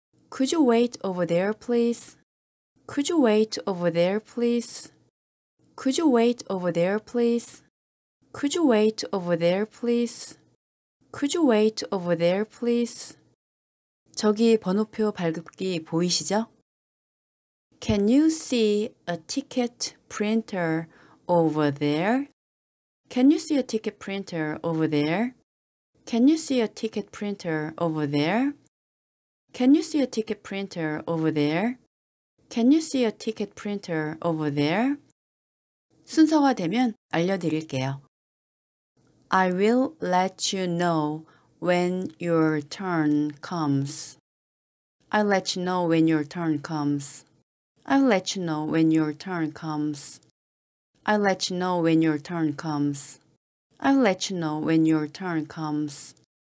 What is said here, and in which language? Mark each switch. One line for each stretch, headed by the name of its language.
English: Could you wait over there, please? Could you wait over there, please? Could you wait over there, please? Could you wait over there, please? Could you wait over there, please?
Korean: 저기 번호표 발급기 보이시죠?
English: Can you see a ticket printer over there? Can you see a ticket printer over there? Can you see a ticket printer over there? Can you see a ticket printer over there? Can you see a ticket printer over there?
Korean: 순서가 되면 알려드릴게요.
English: I will let you know when your turn comes. I'll let you know when your turn comes. I'll let you know when your turn comes. I'll let you know when your turn comes. I'll let you know when your turn comes.